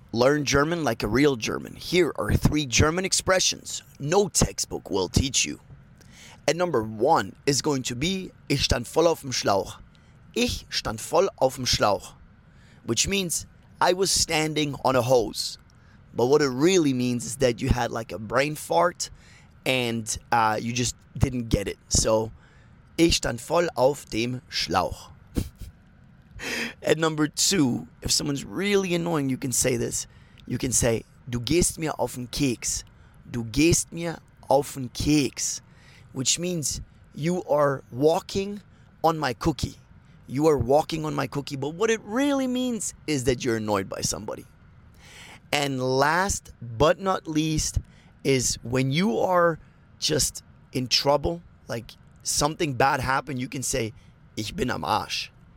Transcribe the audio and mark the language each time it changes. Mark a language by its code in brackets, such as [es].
[en] Learn German like a real German. Here are three German expressions no textbook will teach you. And number one is going to be [de] Ich stand voll auf dem Schlauch. Ich stand voll auf dem Schlauch. [en] Which means I was standing on a hose. But what it really means is that you had like a brain fart and you just didn't get it. [de] So Ich stand voll auf dem Schlauch. [en] At number two, if someone's really annoying, you can say this. You can say, [de] Du gehst mir auf den Keks. Du gehst mir auf den Keks. [en] Which means, you are walking on my cookie. You are walking on my cookie. But what it really means is that you're annoyed by somebody. And last but not least is when you are just in trouble, like something bad happened, you can say, [de] Ich bin am Arsch.